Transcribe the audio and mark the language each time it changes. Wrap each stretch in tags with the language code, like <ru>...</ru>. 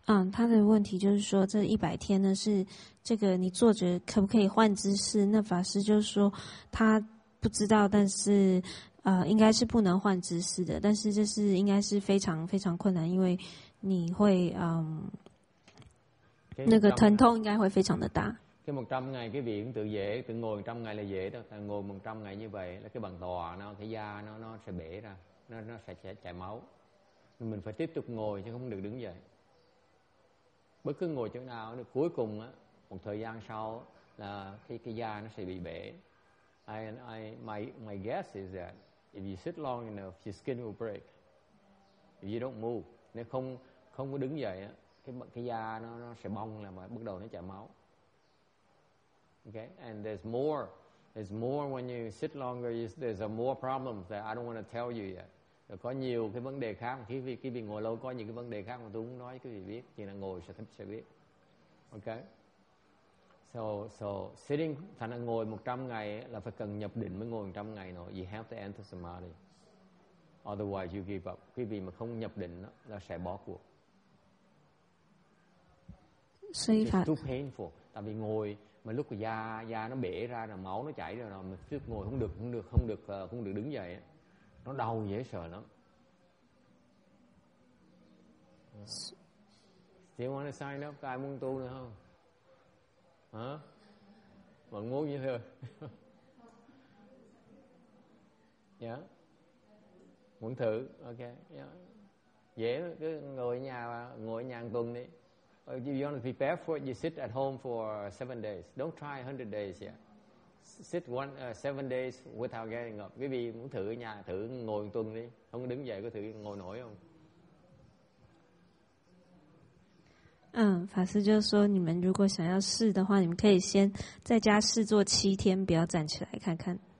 <zh>他的问题就是说，这 100 天呢，是这个你坐着可不可以换姿势？那法师就是说，他不知道，但是应该是不能换姿势的。但是这是应该是非常非常困难，因为你会那个疼痛应该会非常的大。这</zh> <vi>100 ngày cái vị cũng tự dễ, tự ngồi 100 ngày là dễ đó. Tại ngồi 100 ngày như vậy là cái bàn tòa nó, cái da nó sẽ bể ra, nó sẽ chảy máu. Mình phải tiếp tục ngồi chứ không được đứng dậy. Bất cứ ngồi chỗ nào, cuối cùng một thời gian sau là cái da nó sẽ bị bể.</vi> <en>My guess is that if you sit long enough, your skin will break. If you don't move,</en> <vi>nếu không có đứng dậy, cái da nó sẽ bong là mà bắt đầu nó chảy máu.</vi> <en>Okay, and there's more when you sit longer. There's a more problems that I don't want to tell you yet.</en> <vi>Có nhiều cái vấn đề khác mà khi bị ngồi lâu có những cái vấn đề khác mà tôi cũng nói cái gì biết, chỉ là ngồi sẽ biết. Okay.</vi> <en>So sitting,</en> <vi>thành là ngồi 100 ngày là phải cần nhập định mới ngồi 100 ngày nữa.</vi> <en>You have to enter samadhi. Otherwise you give up.</en> <vi>Cái gì mà không nhập định đó, là sẽ bỏ cuộc.</vi> <en>So it's too painful.</en> <vi>Tại vì ngồi mà lúc da nó bể ra là máu nó chảy rồi mà cứ ngồi không được đứng dậy. Nó đau dễ sợ lắm.</vi> <en>Do you want to sign up?</en> <vi>Ai muốn tu nữa không? Hả? Vẫn muốn như thế. Yeah. Muốn thử. Ok. Yeah. Dễ. Cứ ngồi ở nhà một tuần đi.</vi> <en>If you want to prepare for it, you sit at home for 7 days. Don't try 100 days yet. Sit 7 days without getting up.</en> <vi>Quý vị muốn thử ở nhà, thử ngồi một tuần đi. Không đứng dậy có thử ngồi nổi không?</vi> <zh>法师就说，你们如果想要试的话，你们可以先在家试做7天，不要站起来看看。</zh>